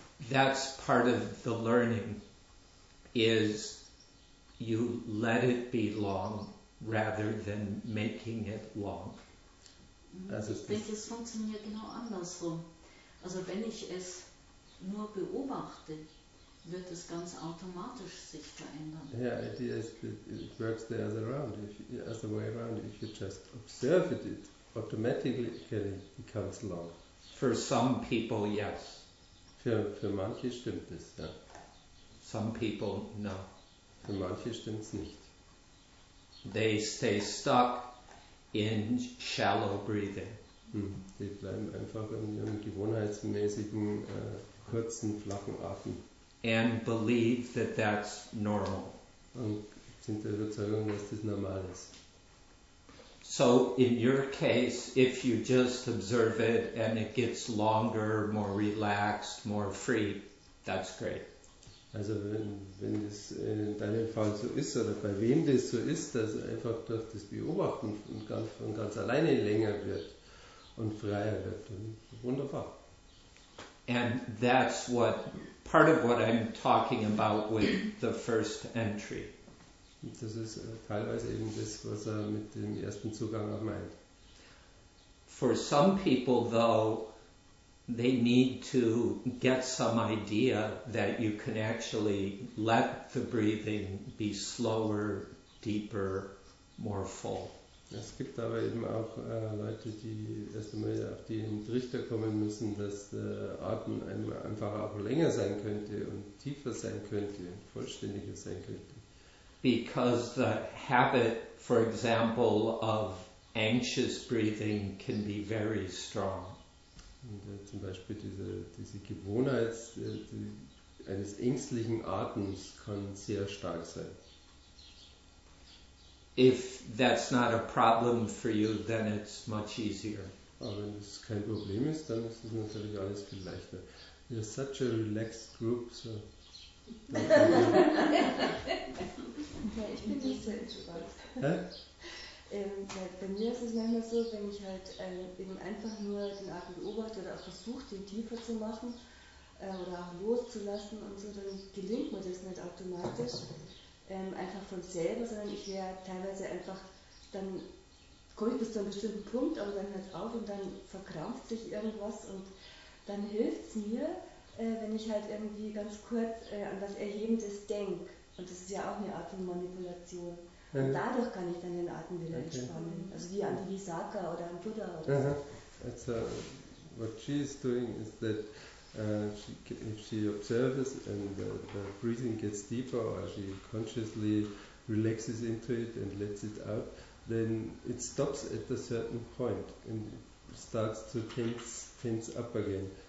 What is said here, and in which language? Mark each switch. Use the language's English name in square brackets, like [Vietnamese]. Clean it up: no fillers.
[English] That's part of the learning, is you let it be long rather than making it long. [German] Ich denke, es funktioniert genau andersrum. Also wenn ich es nur beobachte, wird es ganz automatisch sich verändern. [English] Yeah, it works the other round, as the way around. If you just observe it, it automatically becomes long. For some people, yes. [German] Für manche stimmt es, ja. [English] Some people, no. [German] Für manche stimmt es nicht. [English] They stay stuck in shallow breathing. [German] Die bleiben einfach in ihrem gewohnheitsmäßigen, kurzen, flachen Atem. [English] And believe that that's normal. [German] Und sind der Überzeugung, dass das normal ist. [English] So in your case, if you just observe it and it gets longer, more relaxed, more free, that's great. [German] Also wenn das in deinem Fall so ist, oder bei wem das so ist, dass einfach durch das Beobachten und ganz alleine länger wird und freier wird, dann wunderbar. [English] And that's what part of what I'm talking about with the first entry. [German] Das ist teilweise eben das, was er mit dem ersten Zugang auch meint. [English] For some people though, they need to get some idea that you can actually let the breathing be slower, deeper, more full. [German] Es gibt aber eben auch Leute, die erst einmal auf den Trichter kommen müssen, dass der Atem einfach auch länger sein könnte und tiefer sein könnte und vollständiger sein könnte. [English] Because the habit, for example, of anxious breathing can be very strong. [German] Und zum Beispiel diese Gewohnheit eines ängstlichen Atems kann sehr stark sein. [English] If that's not a problem for you, then it's much easier. [German] Aber wenn das kein Problem ist, dann ist es natürlich alles viel leichter. [English] You're such a relaxed group, so. [German] Ja, ich bin nicht so entspannt. Bei mir ist es manchmal so, wenn ich halt eben einfach nur den Atem beobachte oder auch versuche, den tiefer zu machen oder auch loszulassen und so, dann gelingt mir das nicht automatisch einfach von selber, sondern ich wäre teilweise einfach, dann komme ich bis zu einem bestimmten Punkt, aber dann halt auf und dann verkrampft sich irgendwas und dann hilft es mir, wenn ich halt irgendwie ganz kurz an was Erhebendes denke. Und das ist ja auch eine Art von Manipulation. Und dadurch kann ich dann den Atem wieder entspannen. Also wie an die Visakha oder an Buddha oder so. [English] So, what she is doing is that if she observes and the breathing gets deeper or she consciously relaxes into it and lets it out, then it stops at a certain point and starts to tense up again.